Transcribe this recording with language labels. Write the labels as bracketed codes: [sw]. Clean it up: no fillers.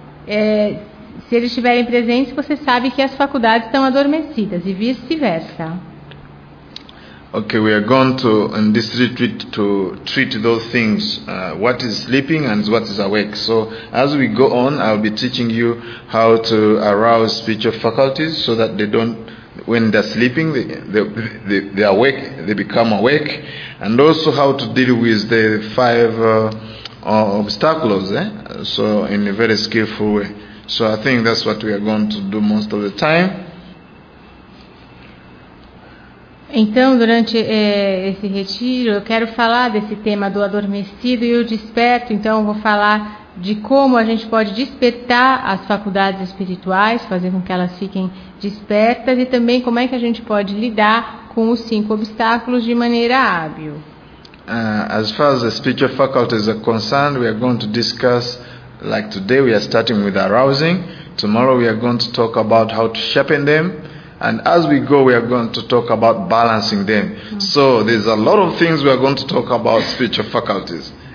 [pt] Se eles estiverem presentes, você sabe que as faculdades estão adormecidas e vice-versa. [en] Okay, we are going to in this retreat to treat those things, what is sleeping and what is awake. So, as we go on, I'll be teaching you how to arouse spiritual faculties so that they don't, when they're sleeping, they are awake, they become awake, and also how to deal with the five obstacles, so in a very skillful way. So I think that's what we are going to do most of the time. [pt] Então, durante esse retiro, eu quero falar desse tema do adormecido e o desperto. Então, eu vou falar de como a gente pode despertar as faculdades espirituais, fazer com que elas fiquem despertas, e também como é que a gente pode lidar com os cinco obstáculos de maneira hábil. [en] As far as the spiritual faculties are concerned, we are going to discuss. Like today, we are starting with arousing. Tomorrow, we are going to talk about how to sharpen them. And as we go, we are going to talk about balancing them. So, there's a lot of things we are going to talk about speech faculties.